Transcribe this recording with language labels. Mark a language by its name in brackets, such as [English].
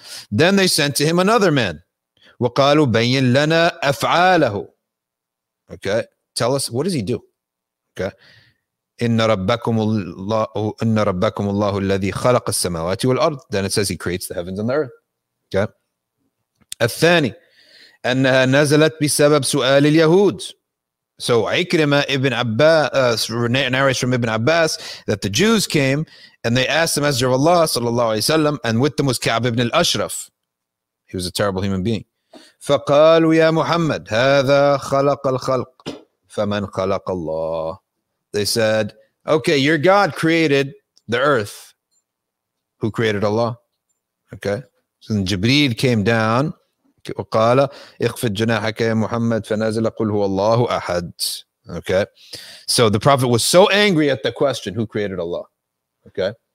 [English] Then they sent to him another man. [Arabic] وَقَالُوا بَيِّن لَنَا أَفْعَالَهُ. [English] Okay, tell us, what does he do? Okay. [Arabic] إِنَّ رَبَّكُمُ اللَّهُ الَّذِي خَلَقَ السَّمَوَاتِ وَالْأَرْضِ. [English] Then it says he creates the heavens and the earth. Okay. [Arabic] الثاني أنها نزلت بسبب سؤال اليهود. [English] So عكرمة ابن عباس narrates from Ibn Abbas that the Jews came and they asked the Messenger of Allah sallallahu alayhi wa sallam, and with them was Ka'b ibn al-Ashraf. He was a terrible human being. [Arabic] فقالوا يا محمد هذا خلق الخلق فمن خلق الله. [English] They said, okay, your God created the earth. Who created Allah? Okay. So then Jibreel came down. [Arabic] وَقَالَ اِخْفِدْ جُنَاحَكَ يَا مُحَمَّدْ فَنَازِلَ قُلْ هُوَ اللَّهُ أَحَدٍ. Okay. [English] So the Prophet was so angry at the question, who created Allah? Okay.